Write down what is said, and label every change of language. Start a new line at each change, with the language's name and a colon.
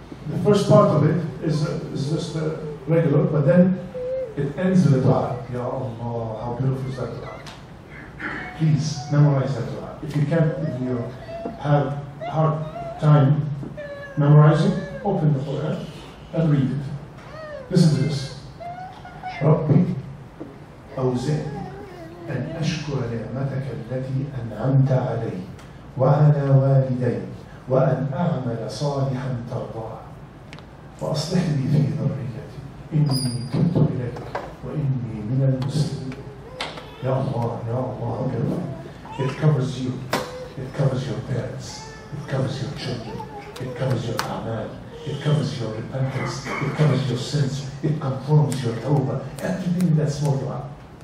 English: The first part of it is just regular, but then it ends with a dua. Ya Allah, how beautiful is that dua? Please, memorize that dua. If you can't, if you have hard time memorizing, open the Quran and read it. Listen to this.
Arabic: Rabbi, أوزعني أن أشكر نعمتك التي أنعمت علي وعلى والدي وأن أعمل صالحا ترضاه فأصلح لي في ذريتي إني تبت إليك وإني من المسلمين. يا الله يا الله
English: it covers you, it covers your parents, it covers your children, it covers your a'mal, it covers your repentance, it covers your sins, it confirms your tawbah, everything that's more dua.